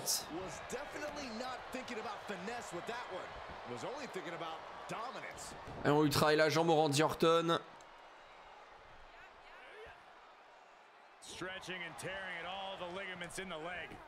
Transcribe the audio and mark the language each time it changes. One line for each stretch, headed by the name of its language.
English: Was definitely not thinking about finesse with that one. Was only thinking about dominance.
French: Et on lui travaille la jambe au Randy Orton.
English: Stretching and tearing at all the ligaments in the leg.